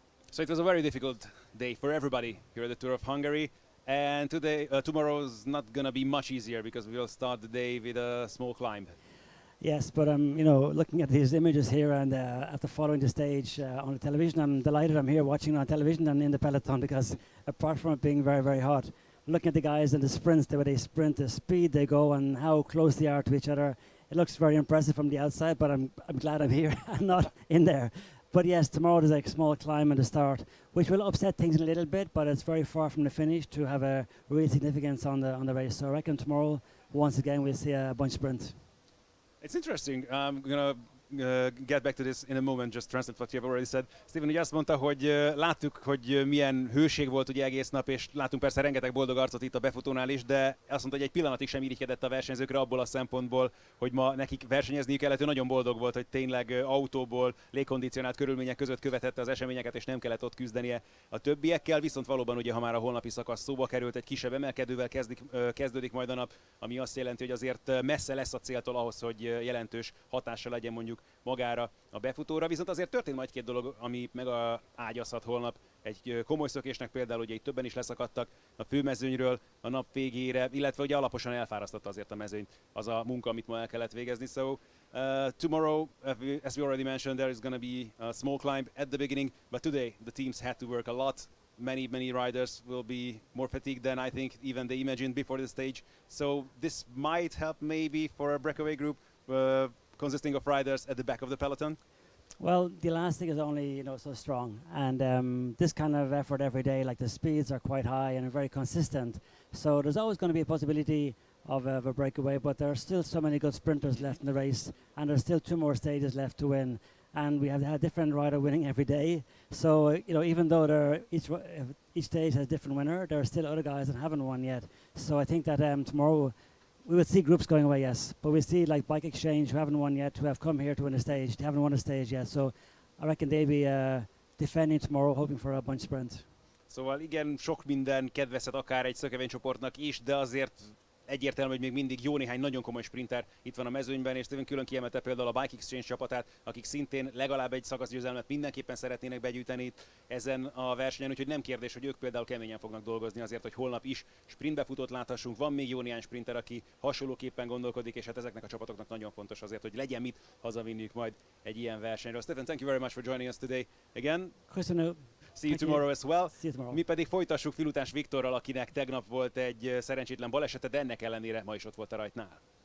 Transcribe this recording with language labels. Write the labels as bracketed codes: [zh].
[en] So it was a very difficult day for everybody here at the Tour of Hungary. And today, tomorrow's not going to be much easier because we'll start the day with a small climb. Yes, but you know, looking at these images here and after following the stage on the television, I'm delighted I'm here watching on television and in the peloton because apart from it being very, very hot, looking at the guys in the sprints, the way they sprint, the speed they go and how close they are to each other, it looks very impressive from the outside, but I'm glad I'm here and not in there. But yes, tomorrow there's a small climb at the start, which will upset things a little bit, but it's very far from the finish to have a real significance on the race. So I reckon tomorrow, once again, we'll see a bunch of sprints. It's interesting. I'm going to get back to this in a moment, just translate what you've already said. [hu] Steven, ugye azt mondta, hogy láttuk, hogy milyen hőség volt ugye egész nap, és láttunk persze rengeteg boldog arcot itt a befutónál is, de azt mondta, hogy egy pillanatig sem irigykedett a versenyzőkre abból a szempontból, hogy ma nekik versenyezniük kellett. Ő nagyon boldog volt, hogy tényleg autóból, légkondicionált körülmények között követette az eseményeket, és nem kellett ott küzdenie a többiekkel. Viszont valóban ugye, ha már a holnapi szakasz szóba került, egy kisebb emelkedővel kezdődik majd a nap, ami azt jelenti, hogy azért messze lesz a céltól ahhoz, hogy jelentős hatással legyen mondjuk magára a befutóra, viszont azért történt majd két dolog, ami meg ágyazhat holnap egy komoly szökésnek, például ugye itt többen is leszakadtak a főmezőnyről a nap végére, illetve ugye alaposan elfárasztotta azért a mezőnyt az a munka, amit ma el kellett végezni. [en] So tomorrow, as we already mentioned, there is going to be a small climb at the beginning, but today the teams had to work a lot. Many, many riders will be more fatigued than I think even they imagined before the stage. So this might help maybe for a breakaway group consisting of riders at the back of the peloton? Well, the elastic is only, you know, so strong. And this kind of effort every day, like the speeds are quite high and very consistent. So there's always going to be a possibility of a breakaway, but there are still so many good sprinters left in the race, and there's still two more stages left to win. And we have had different rider winning every day. So, you know, even though there each stage has a different winner, there are still other guys that haven't won yet. So I think that tomorrow, we would see groups going away, yes, but we see like Bike Exchange, who haven't won yet, who have come here to win a stage, they haven't won a stage yet, so I reckon they'll be defending tomorrow, hoping for a bunch sprint. [hu] Szóval igen, sok minden kedvezhet akár egy szökevény csoportnak is, de azért egyértelmű, hogy még mindig jó néhány nagyon komoly sprinter itt van a mezőnyben, és Steven külön kiemelte például a Bike Exchange csapatát, akik szintén legalább egy szakaszgyőzelmet mindenképpen szeretnének begyűjteni itt ezen a versenyen, úgyhogy nem kérdés, hogy ők például keményen fognak dolgozni azért, hogy holnap is sprintbefutót láthassunk. Van még jó néhány sprinter, aki hasonlóképpen gondolkodik, és hát ezeknek a csapatoknak nagyon fontos azért, hogy legyen mit hazavinniük majd egy ilyen versenyre. [en] Steven, thank you very much for joining us today again. [hu] Köszönöm. [en] See you tomorrow as well. See you tomorrow. [hu] Mi pedig folytassuk Filutás Viktorral, akinek tegnap volt egy szerencsétlen balesete, de ennek ellenére ma is ott volt a rajtnál.